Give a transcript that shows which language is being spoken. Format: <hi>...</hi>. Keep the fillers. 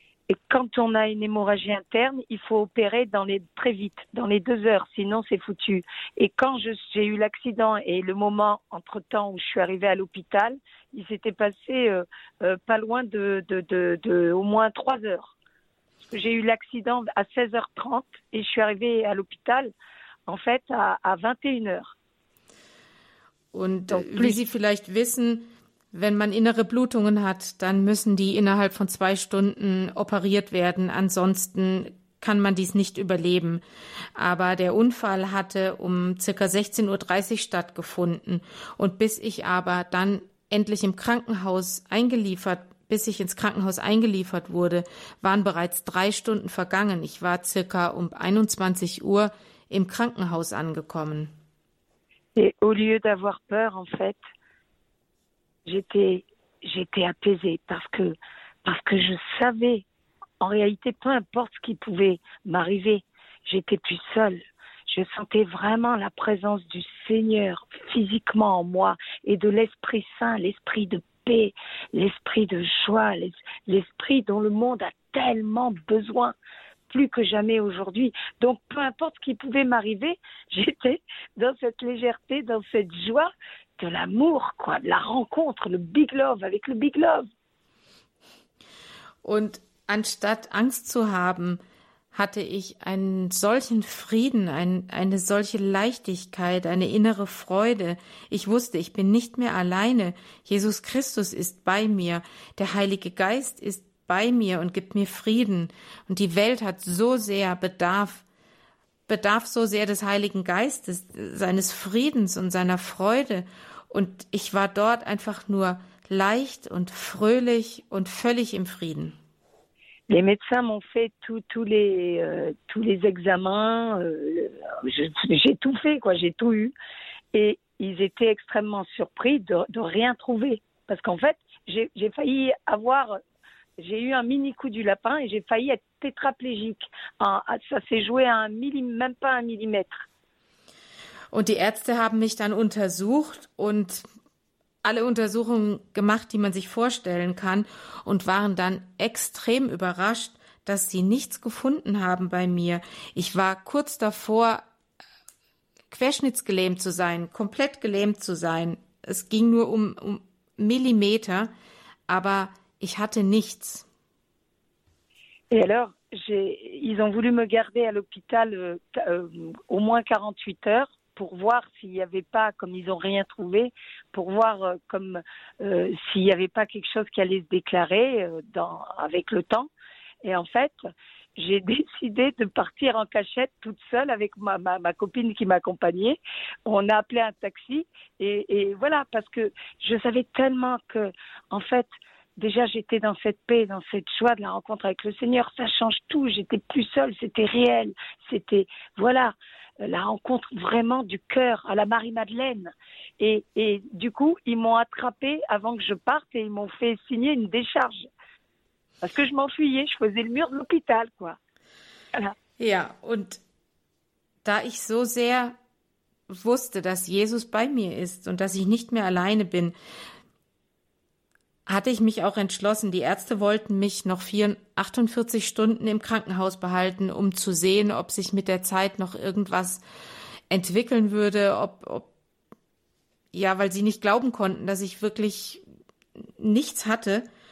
<fr>Et quand on a une hémorragie interne, il faut opérer dans les, très vite, dans les deux heures, sinon c'est foutu. Et quand j'ai eu l'accident et le moment entre-temps où je suis arrivée à l'hôpital, il s'était passé euh, euh, pas loin de, de, de, de au moins trois heures. j'ai eu l'accident à 16h30 et je suis arrivée à l'hôpital, en fait, à, à 21h.</fr> <de>Und äh, wie Sie vielleicht wissen, wenn man innere Blutungen hat, dann müssen die innerhalb von zwei Stunden operiert werden. Ansonsten kann man dies nicht überleben. Aber der Unfall hatte um circa 16.30 Uhr stattgefunden. Und bis ich aber dann endlich im Krankenhaus eingeliefert, bis ich ins Krankenhaus eingeliefert wurde, waren bereits drei Stunden vergangen. Ich war circa um 21 Uhr im Krankenhaus angekommen.</de> <fr>Et au lieu d'avoir peur, en fait, j'étais, j'étais apaisée parce que, parce que je savais, en réalité, peu importe ce qui pouvait m'arriver, j'étais plus seule. Je sentais vraiment la présence du Seigneur physiquement en moi et de l'Esprit Saint, l'Esprit de paix, l'Esprit de joie, l'es- l'Esprit dont le monde a tellement besoin plus que jamais aujourd'hui. Donc, peu importe ce qui pouvait m'arriver, j'étais dans cette légèreté, dans cette joie de l'amour, quoi, de la rencontre, le</fr> <en>big love</en> <fr>avec le big love.</fr> <de>Und anstatt Angst zu haben, hatte ich einen solchen Frieden, ein, eine solche Leichtigkeit, eine innere Freude. Ich wusste, ich bin nicht mehr alleine. Jesus Christus ist bei mir. Der Heilige Geist ist bei mir und gibt mir Frieden. Und die Welt hat so sehr Bedarf, bedarf so sehr des Heiligen Geistes, seines Friedens und seiner Freude. Und ich war dort einfach nur leicht und fröhlich und völlig im Frieden.</de> <fr>Les médecins m'ont fait tous tous les euh, tous les examens, euh, je- j'ai tout fait quoi, j'ai tout eu, et ils étaient extrêmement surpris de, de rien trouver parce qu'en fait j'ai j'ai failli avoir j'ai eu un mini coup du lapin et j'ai failli être tétraplégique. En- à- ça s'est joué à un millim, même pas un millimètre.</fr> <de>Und die Ärzte haben mich dann untersucht und alle Untersuchungen gemacht, die man sich vorstellen kann, und waren dann extrem überrascht, dass sie nichts gefunden haben bei mir. Ich war kurz davor, querschnittsgelähmt zu sein, komplett gelähmt zu sein. Es ging nur um, um Millimeter, aber ich hatte nichts.</de> <fr>Et alors j'ai ils ont voulu me garder à l'hôpital euh, qu- euh, au moins 48 heures pour voir s'il n'y avait pas, comme ils n'ont rien trouvé, pour voir euh, comme euh, s'il n'y avait pas quelque chose qui allait se déclarer euh, dans, avec le temps. Et en fait, j'ai décidé de partir en cachette toute seule avec ma, ma, ma copine qui m'accompagnait. On a appelé un taxi et, et voilà parce que je savais tellement que en fait. Déjà, j'étais dans cette paix, dans cette joie de la rencontre avec le Seigneur. Ça change tout. J'étais plus seule. C'était réel. C'était, voilà, euh, la rencontre vraiment du cœur à la Marie-Madeleine. Et, et du coup, ils m'ont attrapée avant que je parte et ils m'ont fait signer une décharge. Parce que je m'enfuyais, je faisais le mur de l'hôpital, quoi.</fr> <de>Ja, und da ich so sehr wusste, dass Jesus bei mir ist und dass ich nicht mehr alleine bin, hatte ich mich auch entschlossen. Die Ärzte wollten mich noch 4 48 Stunden im Krankenhaus behalten, um zu sehen, ob sich mit der Zeit noch irgendwas entwickeln würde, ob, ob ja, weil sie nicht glauben konnten, dass ich wirklich nichts hatte.</de>